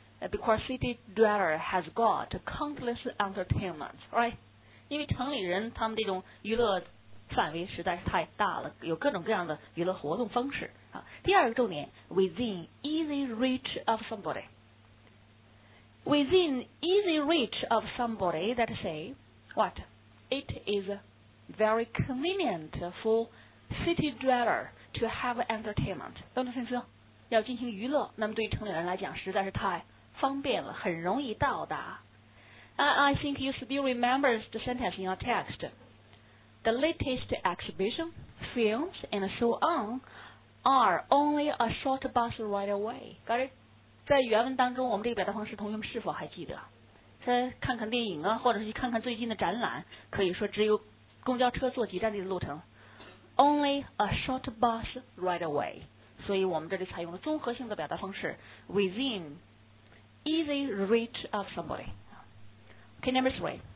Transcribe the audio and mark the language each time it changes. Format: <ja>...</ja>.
<en>Because city dweller has got countless entertainment, right?</en> <zh>因为城里人他们这种娱乐范围实在是太大了，有各种各样的娱乐活动方式。啊，第二个重点 ，</zh> <en>within easy reach of somebody。 Within easy reach of somebody, that say, what? It is very convenient for city dweller to have entertainment.</en> <zh>懂得意思？要进行娱乐，那么对于城里人来讲，实在是太方便了，很容易到达。</zh> <en>I think you still remember the sentence in your text. The latest exhibition, films, and so on are only a short bus ride away. Got it?</en> <zh>在原文当中，我们这个表达方式，同学们是否还记得？在看看电影啊，或者去看看最近的展览，可以说只有公交车坐几站地的路程。</zh> <en>Only a short bus ride away.</en> <zh>所以我们这里采用了综合性的表达方式</zh> <en>within easy reach of somebody. Okay, number three.</en>